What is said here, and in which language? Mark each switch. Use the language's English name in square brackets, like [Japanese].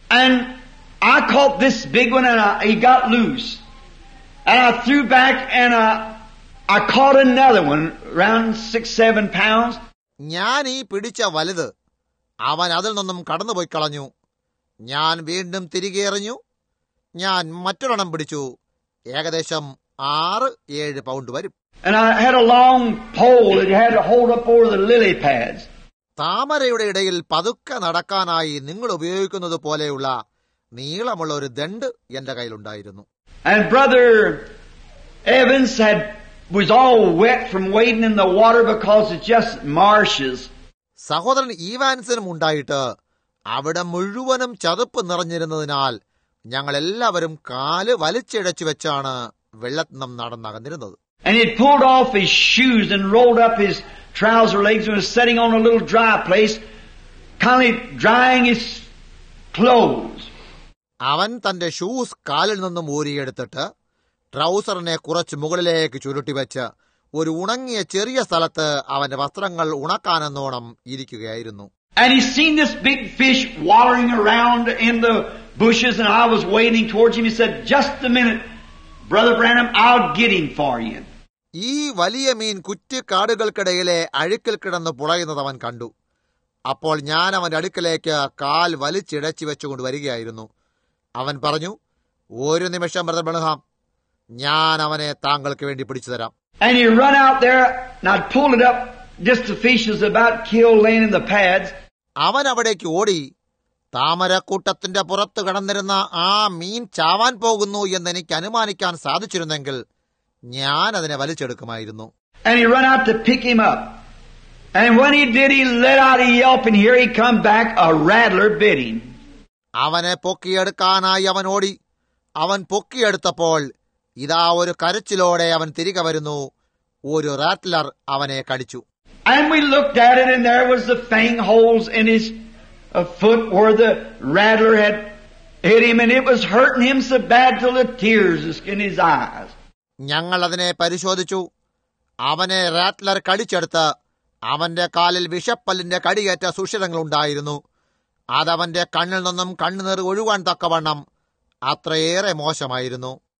[English] And I caught this big one and he got loose. And I threw back and I caught another one around 6, 7 pounds. [Malayalam] ഞാൻ ഈ പിടിച്ച വലുത് അവൻ അതിൽ നിന്നും കടന്നുപോയി കളഞ്ഞു. ഞാൻ വീണ്ടും തിരികെ എറിഞ്ഞു. ഞാൻ മറ്റൊരെണ്ണം പിടിച്ചു. ഏകദേശം 6, 7 പൗണ്ട് വരും. [English] And I had a long pole that you had to hold up over the lily pads. [Malayalam] താമരയുടെ ഇടയിൽ പതുക്കെ നടക്കാനായി നിങ്ങൾ ഉപയോഗിക്കുന്നത് പോലെയുള്ള നീളമുള്ള ഒരു ദണ്ട് എന്റെ കയ്യിലുണ്ടായിരുന്നു. [English] And brother Evans had was all wet from wading in the water because it's just marshes. [Malayalam] സഹോദരൻ ഈവാൻസിനും ഉണ്ടായിട്ട് അവിടെ മുഴുവനും ചതുപ്പ് നിറഞ്ഞിരുന്നതിനാൽ ഞങ്ങൾ എല്ലാവരും കാല് വലിച്ചിഴച്ചു വെച്ചാണ് വെള്ളത്തിൽ നിന്നും നടന്നകന്നിരുന്നത്. [English] And he pulled off his shoes and rolled up his trouser legs and was sitting on a little dry place, kind of drying his clothes. [Malayalam] അവൻ തന്റെ ഷൂസ് കാലിൽ നിന്നും ഊരിയെടുത്തിട്ട് ട്രൗസറിനെ കുറച്ച് മുകളിലേക്ക് ചുരുട്ടിവെച്ച് ഒരു ഉണങ്ങിയ ചെറിയ സ്ഥലത്ത് അവന്റെ വസ്ത്രങ്ങൾ ഉണക്കാനെന്നോണം ഇരിക്കുകയായിരുന്നു. [English] And he seen this big fish wallowing around in the bushes and I was wading towards him. He said, just a minute, Brother Branham, I'll get him for you. [Malayalam] ഈ വലിയ മീൻ കുറ്റിക്കാടുകൾക്കിടയിലെ അഴുക്കിൽ കിടന്ന് പുളയുന്നത് അവൻ കണ്ടു. അപ്പോൾ ഞാൻ അവന്റെ അടുക്കലേക്ക് കാൽ വലിച്ചിഴച്ചു വെച്ചുകൊണ്ട് വരികയായിരുന്നു. അവൻ പറഞ്ഞു, ഒരു നിമിഷം ബ്രദർ ബ്രാൻഹാം, ഞാൻ അവനെ താങ്കൾക്ക് വേണ്ടി പിടിച്ചു തരാം. [English] And he run out there and I pulled it up just the fish was about killed laying in the pads. [Malayalam] അവൻ അവിടേക്ക് ഓടി. താമരക്കൂട്ടത്തിന്റെ പുറത്ത് കടന്നിരുന്ന ആ മീൻ ചാവാൻ പോകുന്നു എന്ന് എനിക്ക് അനുമാനിക്കാൻ സാധിച്ചിരുന്നെങ്കിൽ ഞാൻ അതിനെ വലിച്ചെടുക്കുമായിരുന്നു. [English] And he run out to pick him up. And when he did, he let out a yelp and here he come back, a rattler bit him. [Malayalam] അവനെ പൊക്കിയെടുക്കാനായി അവൻ ഓടി. അവൻ പൊക്കിയെടുത്തപ്പോൾ ഇതാ ഒരു കരച്ചിലോടെ അവൻ തിരികെ വരുന്നു. ഒരു റാറ്റ്ലർ അവനെ കടിച്ചു. [English] And we looked at it and there was the fang holes in his foot where the rattler had hit him and it was hurting him so bad till the tears were in his eyes. [Malayalam] ഞങ്ങൾ അതിനെ പരിശോധിച്ചു. അവനെ റാറ്റ്ലർ കടിച്ചെടുത്ത് അവന്റെ കാലിൽ വിഷപ്പല്ലിന്റെ കടിയേറ്റ സുഷിരങ്ങൾ ഉണ്ടായിരുന്നു. അതവന്റെ കണ്ണിൽ നിന്നും കണ്ണുനീർ ഒഴുകാൻ തക്കവണ്ണം അത്രയേറെ മോശമായിരുന്നു.